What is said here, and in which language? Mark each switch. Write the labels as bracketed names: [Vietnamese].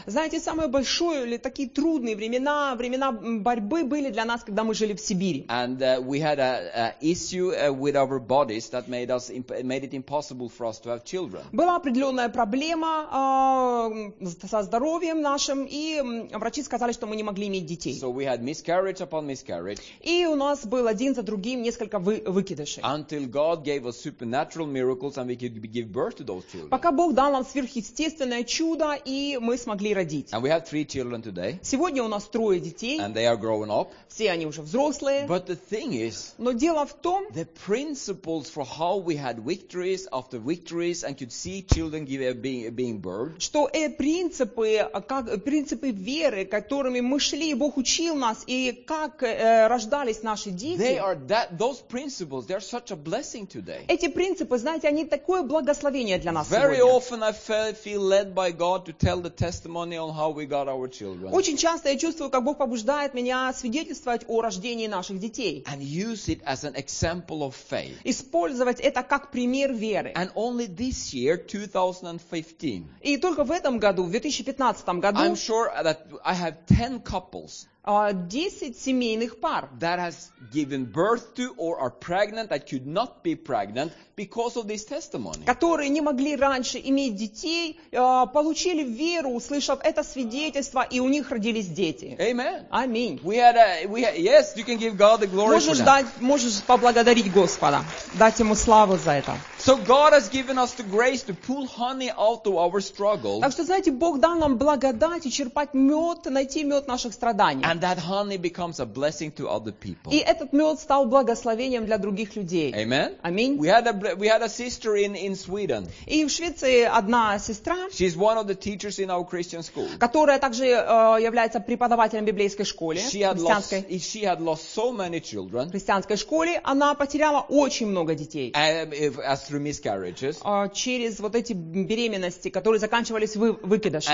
[Russian] Знаете, самые большие или такие трудные времена, времена борьбы были для нас, когда мы жили в Сибири. [English] And we had an issue with our bodies that made it impossible for us to have children. [Russian] Была определенная проблема со здоровьем нашим, и врачи сказали, что мы не могли иметь детей. [English] So we had miscarriage upon miscarriage. [Russian] И у нас был один за другим несколько выкидышей. [English] Until God gave us supernatural miracles and we could give birth to those children. [Russian] Пока Бог дал нам сверхъестественное чудо, и мы смогли родить. [English] And we have three children today. [Russian] Сегодня у нас трое детей. [English] And they are growing up. [Russian] Все они уже взрослые. [English] But the thing is, [Russian] но дело в том, [English] the principles for how we had victories after victories and could see children being birthed, [Russian] что принципы, как, принципы веры, которыми мы шли, и Бог учил нас, и как рождались наши дети, [English] they are that, those principles, they are such a blessing today. [Russian] Эти принципы, знаете, они такое благословение для нас [English] Very [Russian] сегодня. [English] Often And I feel led by God to tell the testimony on how we got our children. [Russian] Очень часто я чувствую, как Бог побуждает меня свидетельствовать о рождении наших детей. [English] And use it as an example of faith. [Russian] Использовать это как пример веры. [English] And only this year, 2015. [Russian] И только в этом году, в 2015 году. [English] I'm sure that I have 10 couples. [Russian] 10 семейных пар, [English] that has given birth to or are pregnant that could not be pregnant because of this testimony. [Russian] Которые не могли раньше иметь детей, получили веру, услышав это свидетельство, и у них родились дети. [English] Amen. [Russian] Аминь. [English] We had a, we had, yes, you can give God the glory [Russian] можешь [English] for that. [Russian] Дать, можешь поблагодарить Господа, дать ему славу за это. [English] So God has given us the grace to pull honey out of our struggle. [Russian] Так что, знаете, Бог дал нам благодать и черпать мед, найти мед наших страданий. [English] And that honey becomes a blessing to other people. [Russian] И этот мед стал благословением для других людей. [English] Amen. [Russian] Аминь. [English] We had a sister in Sweden. [Russian] И в Швеции одна сестра. [English] She's one of the teachers in our Christian school. [Russian] Которая также является преподавателем библейской школы. [English] She had lost so many children. [Russian] В христианской школе она потеряла очень много детей. [English] As through miscarriages. [Russian] Через вот эти беременности, которые заканчивались выкидышем.